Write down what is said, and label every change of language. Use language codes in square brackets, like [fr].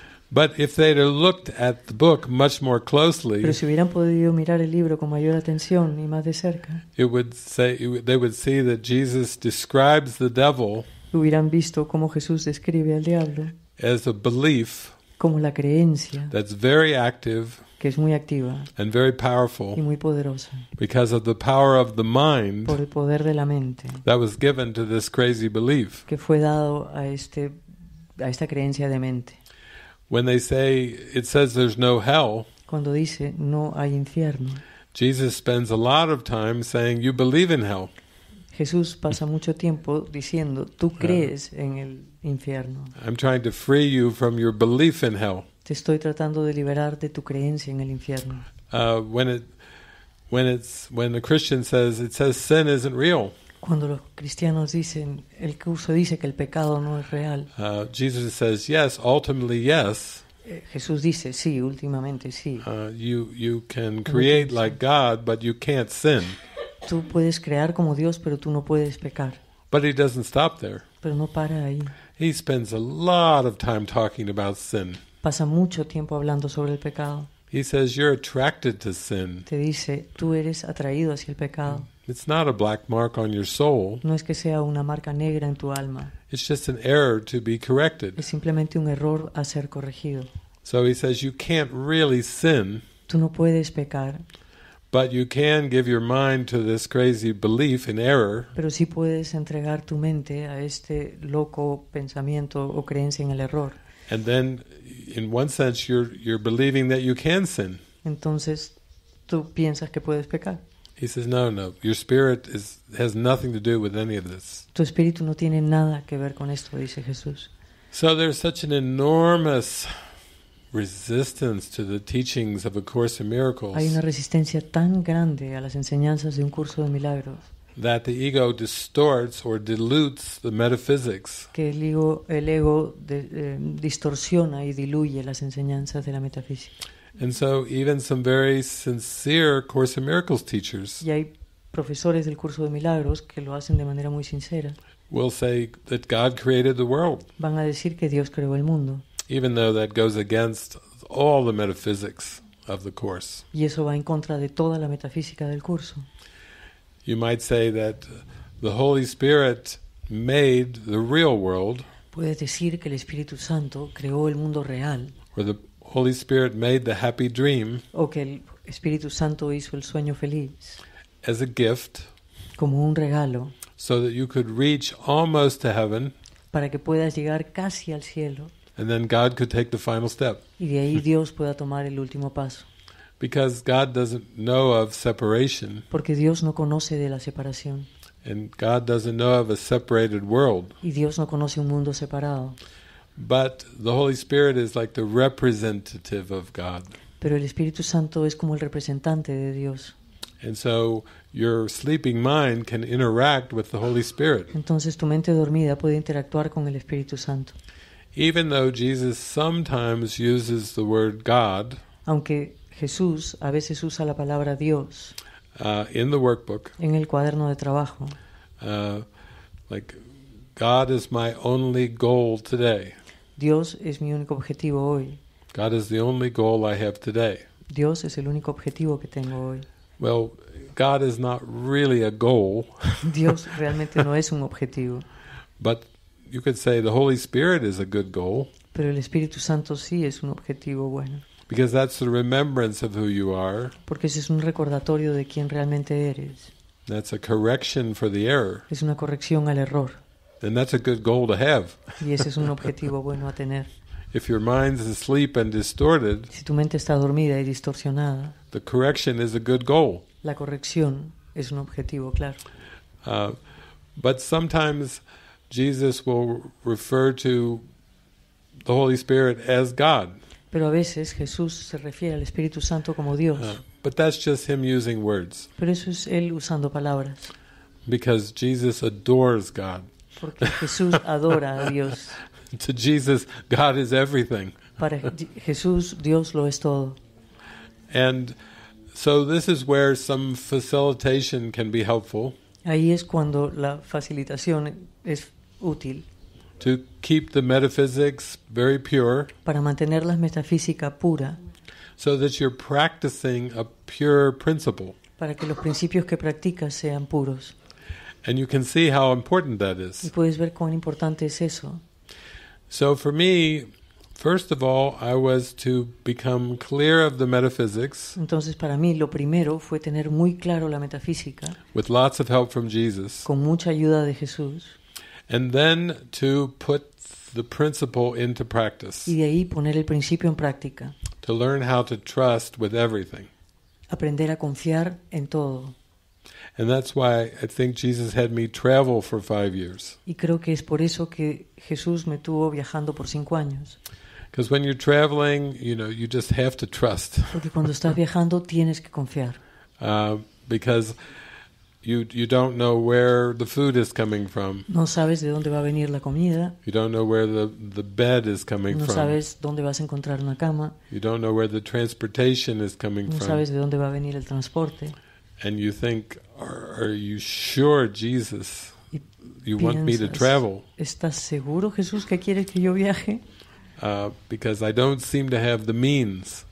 [en] But if they'd have looked at the book much more closely, [es] pero si hubieran podido mirar el libro con mayor atención y más de cerca, [en] it would say they would see that Jesus describes the devil. [es] Hubieran visto cómo Jesús describe al diablo [en] as a belief, [es] como la creencia, [en] that's very active, [es] que es muy activa, [en] and very powerful, [es] y muy poderosa, [en] because of the power of the mind, [es] por el poder de la mente, [en] that was given to this crazy belief, [es] que fue dado a este a esta creencia de mente. [en] When they say it says there's no hell, [es] cuando dice no hay infierno, [en] Jesus spends a lot of time saying you believe in hell. [es] Jesús pasa mucho tiempo diciendo tú crees en el infierno. [en] I'm trying to free you from your belief in hell. [es] Te estoy tratando de liberar de tu creencia en el infierno. [en] When the Christian says it says sin isn't real. [es] Cuando los cristianos dicen, el curso dice que el pecado no es real. [en] Jesus says, yes, ultimately yes. [es] Jesús dice, sí, últimamente sí. [en] You can create like God, but you can't sin. [es] Tú puedes crear como Dios, pero tú no puedes pecar. [en] But he doesn't stop there. [es] Pero no para ahí. [en] He spends a lot of time talking about sin. [es] Pasa mucho tiempo hablando sobre el pecado. [en] He says, you're attracted to sin. [es] Te dice, tú eres atraído hacia el pecado. [en] It's not a black mark on your soul. [es] No es que sea una marca negra en tu alma. [en] It's just an error to be corrected. [es] Es simplemente un error a ser corregido. [en] So he says you can't really sin. [es] Tú no puedes pecar. [en] But you can give your mind to this crazy belief in error. [es] Pero sí puedes entregar tu mente a este loco pensamiento o creencia en el error. [en] And then, in one sense, you're believing that you can sin. [es] Entonces, tú piensas que puedes pecar. [en] He says, no, your spirit has nothing to do with any of this. [es] Tu espíritu no tiene nada que ver con esto, dice Jesús. [en] So there's such an enormous resistance to the teachings of A Course in Miracles. [es] Hay una resistencia tan grande a las enseñanzas de un curso de milagros. [en] That the ego distorts or dilutes the metaphysics. [es] Que el ego distorsiona y diluye las enseñanzas de la metafísica. [en] And so even some very sincere Course in Miracles teachers. [es] Y hay profesores del curso de milagros que lo hacen de manera muy sincera. [en] Will say that God created the world. [es] Van a decir que Dios creó el mundo. [en] Even though that goes against all the metaphysics of the course. [es] Y eso va en contra de toda la metafísica del curso. [en] You might say that the Holy Spirit made the real world. [es] Puedes decir que el Espíritu Santo creó el mundo real. [en] Or the Holy Spirit made the happy dream. [es] O que el Espíritu Santo hizo el sueño feliz. [en] As a gift. [es] Como un regalo. [en] So that you could reach almost to heaven. [es] Para que puedas llegar casi al cielo. [en] And then God could take the final step. [es] Y de ahí Dios pueda tomar el último paso. [en] Because God doesn't know of separation. [es] Porque Dios no conoce de la separación. [en] And God doesn't know of a separated world. [es] Y Dios no conoce un mundo separado. [en] But the Holy Spirit is like the representative of God. [es] Pero el Espíritu Santo es como el representante de Dios. [en] And so your sleeping mind can interact with the Holy Spirit. [es] Entonces tu mente dormida puede interactuar con el Espíritu Santo. [en] Even though Jesus sometimes uses the word God, [es] aunque Jesús a veces usa la palabra Dios, [en] in the workbook, [es] en el cuaderno de trabajo, [en] like God is my only goal today. [es] Dios es mi único objetivo hoy. [en] God is the only goal I have today. [es] Dios es el único objetivo que tengo hoy. [en] Well, God is not really a goal. [es] Dios realmente no es un objetivo. [en] But you could say the Holy Spirit is a good goal. [es] Pero el Espíritu Santo sí es un objetivo bueno. [en] Because that's the remembrance of who you are. [es] Porque ese es un recordatorio de quién realmente eres. [en] That's a correction for the error. [es] Es una corrección al error. [en] And that's a good goal to have. [es] Y ese es un objetivo bueno a tener. [en] If your mind's asleep and distorted, [es] si tu mente está dormida y distorsionada, [en] the correction is a good goal. [es] La corrección es un objetivo claro. [en] But sometimes Jesus will refer to the Holy Spirit as God. [es] Pero a veces Jesús se refiere al Espíritu Santo como Dios. [en] But that's just him using words. [es] Pero eso es él usando palabras. [en] Because Jesus adores God. [es] Porque Jesús adora a Dios. [en] To Jesus, God is everything. [es] Para Jesús, Dios lo es todo. [en] And so this is where some facilitation can be helpful. [es] Ahí es cuando la facilitación es útil. [en] To keep the metaphysics very pure. [es] Para mantener la metafísica pura. [en] So that you're practicing a pure principle. [es] Para que los principios que practicas sean puros. [en] And you can see how important that is. [es] Y puedes ver cuán importante es eso. [en] So for me, first of all, I was to become clear of the metaphysics. [es] Entonces para mí lo primero fue tener muy claro la metafísica. [en] With lots of help from Jesus. [es] Con mucha ayuda de Jesús. [en] And then to put the principle into practice. [es] Y de ahí poner el principio en práctica. [en] To learn how to trust with everything. [es] Aprender a confiar en todo. [en] And that's why I think Jesus had me travel for 5 years. [es] Y creo que es por eso que Jesús me tuvo viajando por 5 años. [en] Because when you're traveling, you know, you just have to trust. [es] Porque cuando estás viajando tienes que confiar. [en] Because you don't know where the food is coming from. [es] No sabes de dónde va a venir la comida. [en] You don't know where the bed is coming from. [es] No sabes dónde vas a encontrar una cama. [en] You don't know where the transportation is coming from. [es] No sabes de dónde va a venir el transporte. [en] And you think, are you sure, Jesus, you [es] piensas, [en] want me to travel? [es] ¿Estás seguro, Jesús, que quieres que yo viaje? [en] Because I don't seem to have the means.